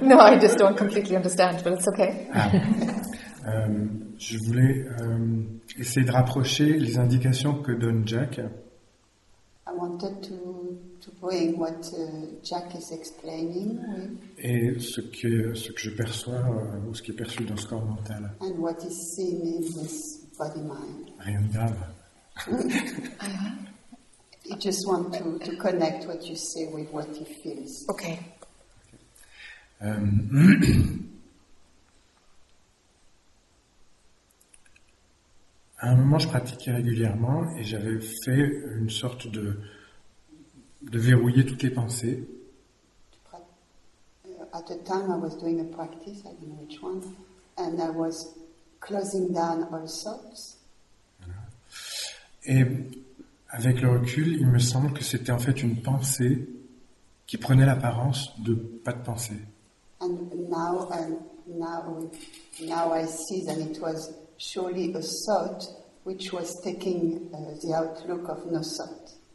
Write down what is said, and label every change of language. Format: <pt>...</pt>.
<en>No, I just don't completely understand, but it's okay.</en> <fr>Je voulais essayer de rapprocher les indications que donne Jack.</fr> <en>I wanted to bring what Jack is explaining.</en> <fr>Et ce que je perçois ou ce qui est perçu dans ce corps mental.</fr> <en>And what is seen in this body mind.</en> <fr>Rien de grave.</fr> <en>I just want to connect what you see with what you feel. Okay. Okay.</en> <fr>À un moment, je pratiquais régulièrement et j'avais fait une sorte de verrouiller toutes les pensées.</fr> <en>At the time, I was doing a practice, I don't know which one, and I was closing down all thoughts.</en> <fr>Voilà. Et avec le recul, il me semble que c'était en fait une pensée qui prenait l'apparence de pas de pensée.</fr> <en>And now, now I see that it was surely a thought which was taking the outlook of no thought.</en>